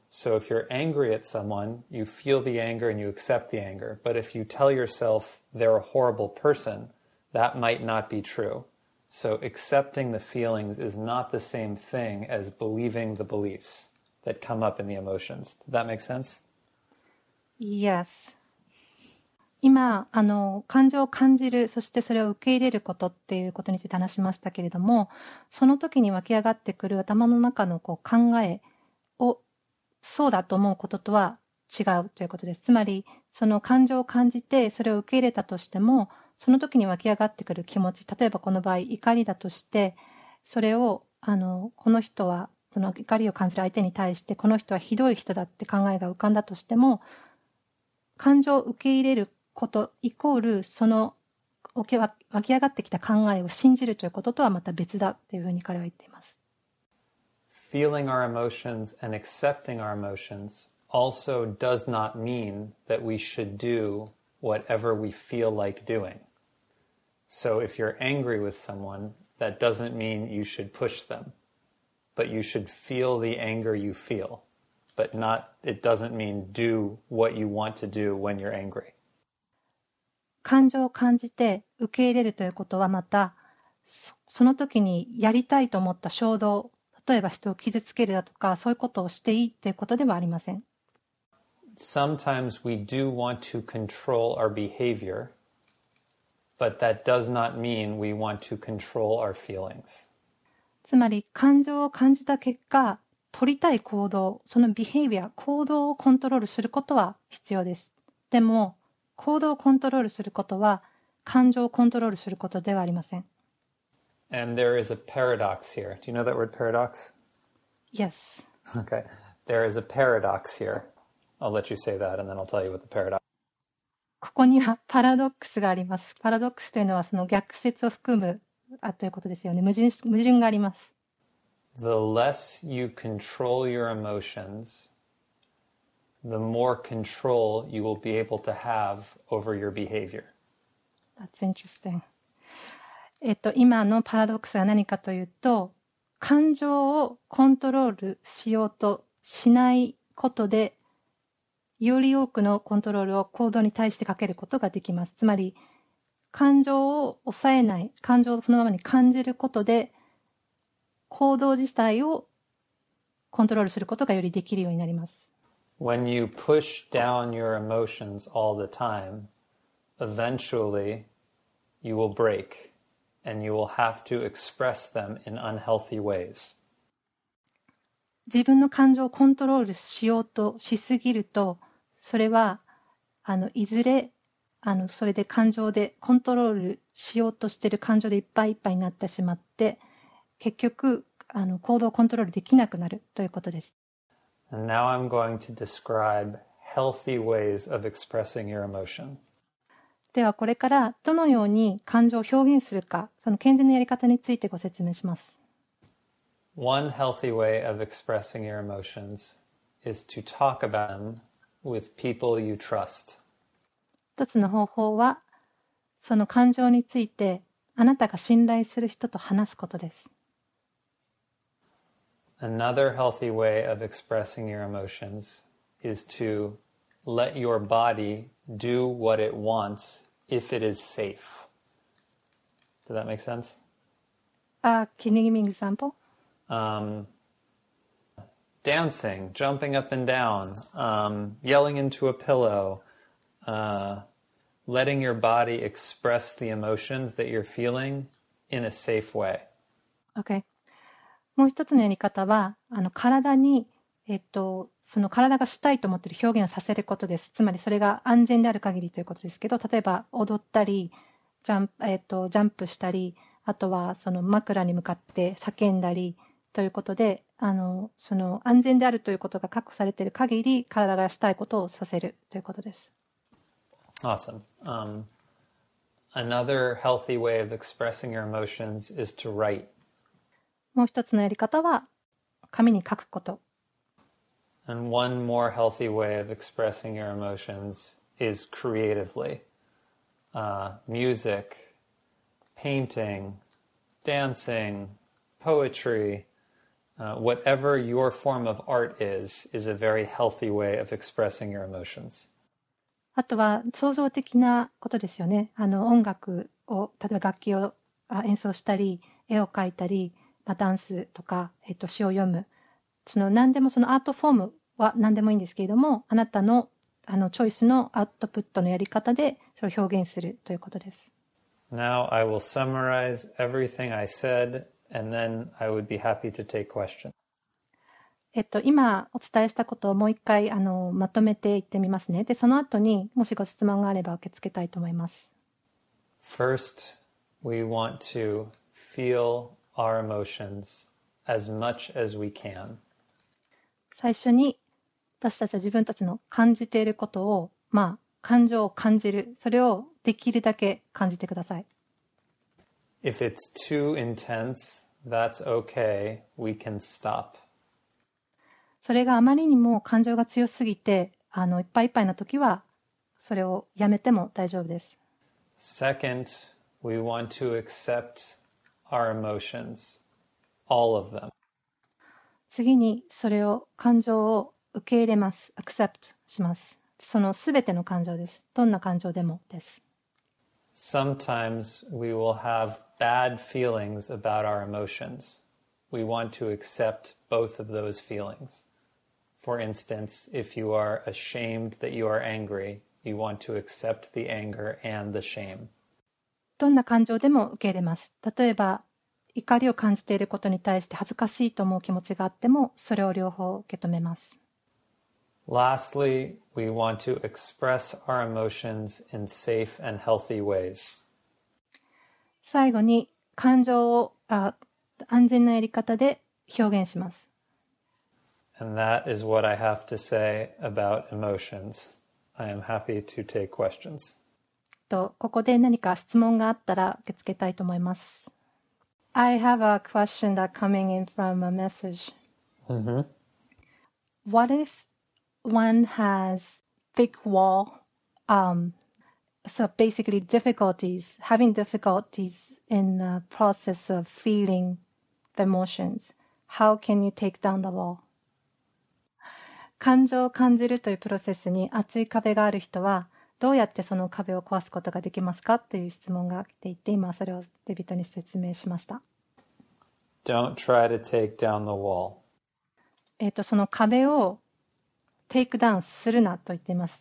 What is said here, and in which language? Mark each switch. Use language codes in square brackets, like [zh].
[en] So if you're angry at someone, you feel the anger and you accept the anger. But if you tell yourself they're a horrible person, that might not be true. So accepting the feelings is not the same thing as believing the beliefs that come up in the emotions. Does that make sense? Yes. [ja] 今、感情を感じる、そしてそれを受け入れることっていうことについて話しましたけれども、その時に湧き上がってくる頭の中のこう考えをそうだと思うこととは違うということです。つまり、その感情を感じてそれを受け入れたとしても、その時に湧き上がってくる気持ち、例えばこの場合、怒りだとして、それをこの人は、その怒りを感じる相手に対して、この人はひどい人だって考えが浮かんだとしても、感情を受け入れることイコールその湧き上がってきた考えを信じるということとはまた別だというふうに彼は言っています。 [en] Feeling our emotions and accepting our emotions also does not mean that we should do whatever we feel like doing. So if you're angry with someone, that doesn't mean you should push them. But you should feel the anger you feel. But not, it doesn't mean do what you want to do when you're angry. [ja] 感情を感じて受け入れるということはまた、その時にやりたいと思った衝動、例えば人を傷つけるだとか、そういうことをしていいということではありません。 [en] Sometimes we do want to control our behavior, but that does not mean we want to control our feelings. [ja] つまり、感情を感じた結果、取りたい行動、そのビヘイビア、行動をコントロールすることは必要です。でも、行動をコントロールすることは、感情をコントロールすることではありません。 [en] And there is a paradox here. Do you know that word paradox? Yes. Okay. There is a paradox here. I'll let you say that and then I'll tell you what the paradox is. [ja] ここにはパラドックスがあります。パラドックスというのはその逆説を含むということですよね。矛盾があります。 [en] The less you control your emotions, the more control you will be able to have over your behavior. That's interesting. [ja] 今のパラドックスが何かというと、感情をコントロールしようとしないことで、より多くのコントロールを行動に対してかけることができます。つまり、感情を抑えない、感情をそのままに感じることで、行動自体をコントロールすることがよりできるようになります。 [en] When you push down your emotions all the time, eventually you will break and you will have to express them in unhealthy ways. [ja] 自分の感情をコントロールしようとしすぎると、それはいずれそれで感情でコントロールしようとしている感情でいっぱいいっぱいになってしまって、結局行動をコントロールできなくなるということです。 [en] And now I'm going to describe healthy ways of expressing your emotion. [ja] ではこれからどのように感情を表現するか、その健全なやり方についてご説明します。 [en] One healthy way of expressing your emotions is to talk about them with people you trust. [ja] 一つの方法は、その感情についてあなたが信頼する人と話すことです。 [en] Another healthy way of expressing your emotions is to let your body do what it wants if it is safe. Does that make sense? Can you give me an example? Dancing, jumping up and down, yelling into a pillow, letting your body express the emotions that you're feeling in a safe way. Okay. [ja] もう一つのやり方は、体に、その体がしたいと思っている表現をさせることです。つまりそれが安全である限りということですけど、例えば踊ったり、ジャンプしたり、あとはその枕に向かって叫んだりということで、その安全であるということが確保されている限り、体がしたいことをさせるということです。 [en] Awesome. Another healthy way of expressing your emotions is to write. [ja] もう一つのやり方は紙に書くこと。 [en] And one more healthy way of expressing your emotions is creatively. Music, painting, dancing, poetry, whatever your form of art is a very healthy way of expressing your emotions. [ja] あとは創造的なことですよね。音楽を、例えば楽器を演奏したり、絵を描いたり、ダンスとか、詩を読む、その何でもそのアートフォームは何でもいいんですけれども、あなたの、チョイスのアウトプットのやり方でそれを表現するということです。 [en] Now I will summarize everything I said, and then I would be happy to take questions. [ja] 今お伝えしたことをもう一回まとめていってみますね。で、その後にもしご質問があれば受け付けたいと思います。 [en] First, we want to feelOur emotions as much as we can. [ja] 最初に私たちは自分たちの感じていることを、感情を感じる、それをできるだけ感じてください。 [en] If it's too intense, that's okay. We can stop. [ja] それがあまりにも感情が強すぎて、いっぱいいっぱいな時は、それをやめても大丈夫です。 [en] Second, we want to accept our emotions, all of them. [ja] 次に、それを、感情を受け入れます。 Accept します。そのすべての感情です。どんな感情でもです。 [en] Sometimes we will have bad feelings about our emotions. We want to accept both of those feelings. For instance, if you are ashamed that you are angry, you want to accept the anger and the shame. [ja] どんな感情でも受け入れます。例えば、怒りを感じていることに対して恥ずかしいと思う気持ちがあっても、それを両方受け止めます。 [en] Lastly, we want to express our emotions in safe and healthy ways. [ja] 最後に、感情を安全なやり方で表現します。 [en] And that is what I have to say about emotions. I am happy to take questions. [ja] ここで何か質問があったら受け付けたいと思います。 [en] I have a question that coming in from a message. What if one has thick wall, so basically difficulties, having difficulties in the process of feeling the emotions, how can you take down the wall? [ja] 感情を感じるというプロセスに厚い壁がある人はどうやってその壁を壊すことができますかという質問が来ていて今それをデビットに説明しました。 [en] Don't try to take down the wall. [ja] その壁をテイクダウンするなと言っています。